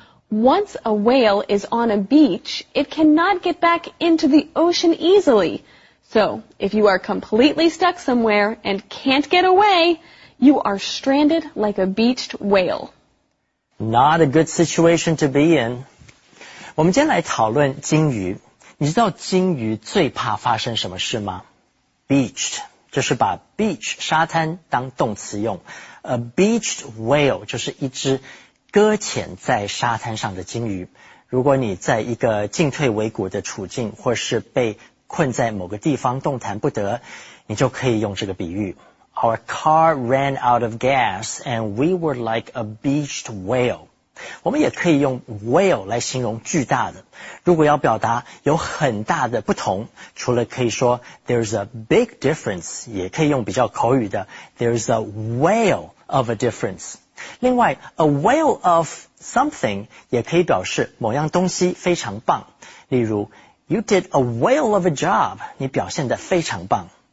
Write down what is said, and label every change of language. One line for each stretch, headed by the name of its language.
English: Once a whale is on a beach, it cannot get back into the ocean easily. So, if you are completely stuck somewhere and can't get away, you are stranded like a beached whale. Not a good situation to be in.
Chinese: 我们今天来讨论鲸鱼。你知道鲸鱼最怕发生什么事吗？Beached, 就是把 beach, 沙滩当动词用。
English: A beached whale,
Chinese: 就是一只搁浅在沙滩上的鲸鱼。如果你在一个进退维谷的处境，或是被困在某个地方动弹不得，你就可以用这个比喻。
English: Our car ran out of gas and we were like a beached whale.
Chinese: 我们也可以用 whale 来形容巨大的。如果要表达有很大的不同，除了可以说
English: there's a big difference,
Chinese: 也可以用比较口语的
English: there's a whale of a difference.
Chinese: 另外
English: a whale of something
Chinese: 也可以表示某样东西非常棒。例如
English: you did a whale of a job,
Chinese: 你表现得非常棒。